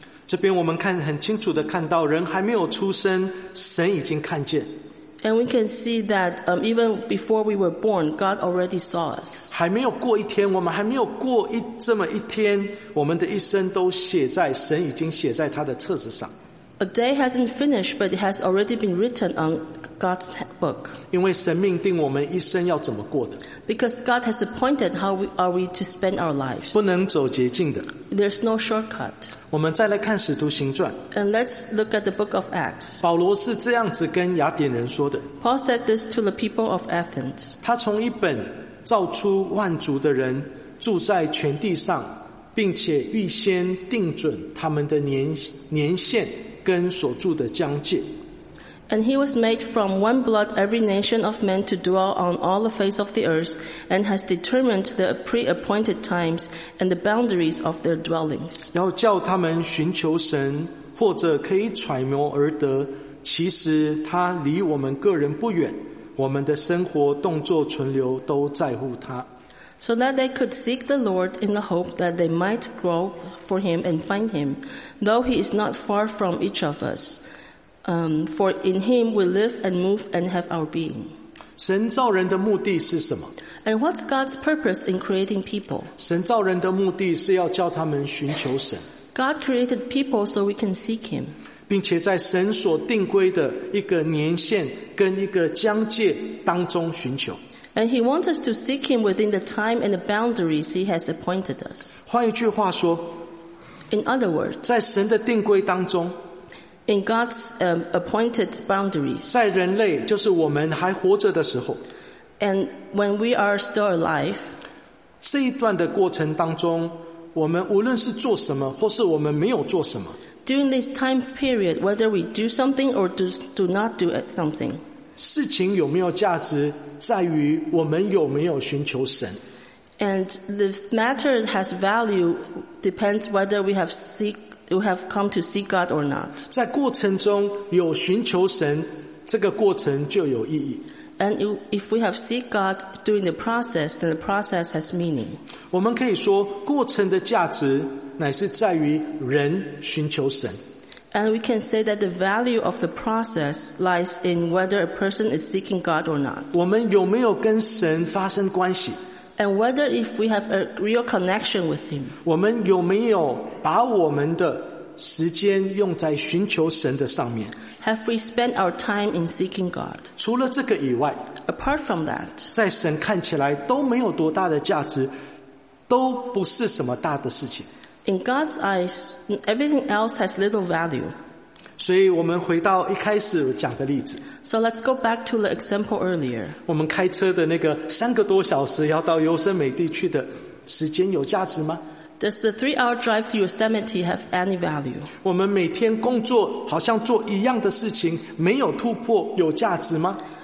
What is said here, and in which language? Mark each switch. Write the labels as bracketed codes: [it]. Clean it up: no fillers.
[zh] 这边我们看很清楚的看到，人还没有出生，神已经看见。 [en] And we can see that even before we were born, God already saw us. [zh] 还没有过一天，我们还没有过一这么一天，我们的一生都写在神已经写在他的册子上。 [en] A day hasn't finished, but it has already been written on God's book. [zh] 因为神命定我们一生要怎么过的。 [en] Because God has appointed how we are we to spend our lives. [zh] 不能走捷径的。 [en] There's no shortcut. [zh] 我们再来看使徒行传。 [en] And let's look at the book of Acts. [zh] 保罗是这样子跟雅典人说的。 [en] Paul said this to the people of Athens. [zh] 他从一本造出万族的人住在全地上，并且预先定准他们的年限跟所住的疆界。 [en] And he was made from one blood every nation of men to dwell on all the face of the earth, and has determined the pre-appointed times and the boundaries of their dwellings. [zh] 要叫他们寻求神，或者可以揣摩而得，其实他离我们个人不远，我们的生活、动作、存留都在乎他。 [en] So that they could seek the Lord in the hope that they might grow for him and find him, though he is not far from each of us. For in him we live and move and have our being. [zh] 神造人的目的是什么？ [en] And what's God's purpose in creating people? [zh] 神造人的目的是要叫他们寻求神。 [en] God created people so we can seek him. [zh] 并且在神所定规的一个年限跟一个疆界当中寻求。 [en] And he wants us to seek him within the time and the boundaries he has appointed us. [zh] 换一句话说， [en] In other words, [zh] 在神的定规当中， [en] In God's appointed boundaries, [zh] 在人类就是我们还活着的时候， [en] And when we are still alive, [zh] 这一段的过程当中，我们无论是做什么，或是我们没有做什么， [en] During this time period, whether we do something or do not do something, [zh] 事情有没有价值在于我们有没有寻求神。 [en] And the matter has value depends whether we have come to seek God or not. [zh] 在过程中有寻求神，这个过程就有意义。 [en] And if we have seek God during the process, then the process has meaning. [zh] 我们可以说，过程的价值乃是在于人寻求神。 [en] And we can say that the value of the process lies in whether a person is seeking God or not. [zh] 我们有没有跟神发生关系？ [en] And whether if we have a real connection with him. [zh] 我们有没有把我们的时间用在寻求神的上面？ [en] Have we spent our time in seeking God? [zh] 除了这个以外， [en] Apart from that, [zh] 在神看起来都没有多大的价值，都不是什么大的事情。 [en] In God's eyes, everything else has little value. [zh] 所以我们回到一开始讲的例子。 [en] So let's go back to the example earlier. [zh] 我们开车的那个三个多小时要到优胜美地去的时间有价值吗？ [en] Does the three-hour drive to Yosemite have any value? [zh] 我们每天工作好像做一样的事情，没有突破，有价值吗？